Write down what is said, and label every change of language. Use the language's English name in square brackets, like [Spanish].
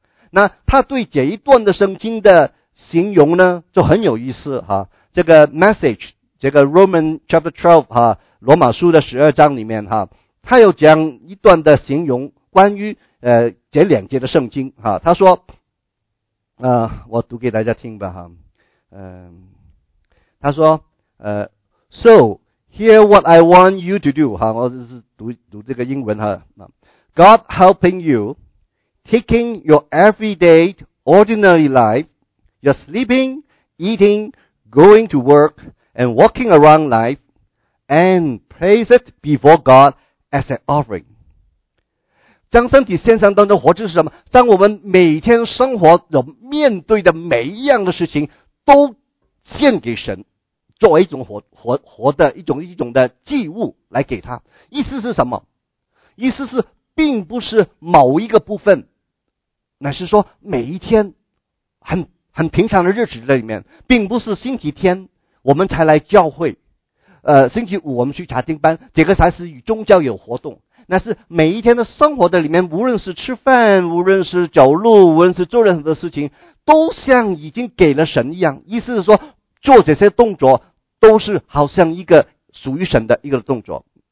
[Chinese] 那他对这一段的圣经的形容呢，就很有意思哈。这个 message， 这个 Roman chapter 12 哈，罗马书的12章里面哈，他有讲一段的形容关于这两节的圣经哈。他说，我读给大家听吧哈。他说， [English] So hear what I want you to do [Chinese] 哈，我是读这个英文哈。 [English] God helping you。 Taking your everyday ordinary life, your sleeping, eating, going to work, and walking around life, and place it before God as an offering. [Chinese] 将身体献上当中活着是什么？当我们每天生活的面对的每一样的事情都献给神，作为一种活的一种的祭物来给他。意思是什么？意思是并不是某一个部分，乃是说每一天很平常的日子里面，并不是星期天我们才来教会，星期五我们去查经班，这个才是与宗教有活动，乃是每一天的生活的里面，无论是吃饭，无论是走路，无论是做任何的事情，都像已经给了神一样。意思是说做这些动作都是好像一个属于神的一个动作。